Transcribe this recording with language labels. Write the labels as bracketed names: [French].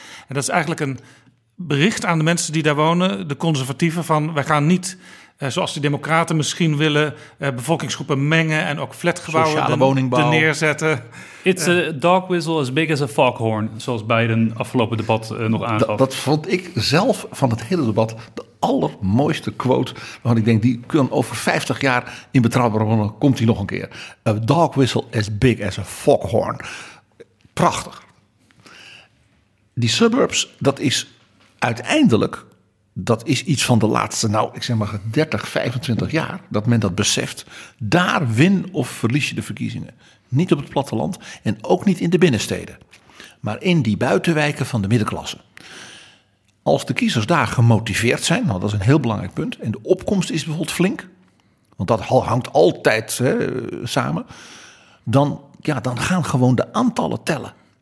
[Dutch] En dat is eigenlijk een bericht aan de mensen die daar wonen, de conservatieven, van wij gaan niet, zoals de democraten misschien willen, bevolkingsgroepen mengen en ook flatgebouwen sociale woningbouw neerzetten. [English] It's a dog whistle as big as a foghorn, [Dutch] zoals Biden afgelopen debat nog aangaf. Dat vond ik zelf van het hele debat de allermooiste quote, want ik denk, die kan over 50 jaar in betrouwbare bronnen, komt die nog een keer. [English] A dog whistle as big as a foghorn. [Dutch] Prachtig. Die suburbs, dat is uiteindelijk, dat is iets van de laatste, nou, ik zeg maar 30, 25 jaar, dat men dat beseft. Daar win of verlies je de verkiezingen. Niet op het platteland en ook niet in de binnensteden. Maar in die buitenwijken van de middenklasse. Als de kiezers daar gemotiveerd zijn, nou, dat is een heel belangrijk punt, en de opkomst is bijvoorbeeld flink, want dat hangt altijd samen, dan gaan gewoon de aantallen tellen.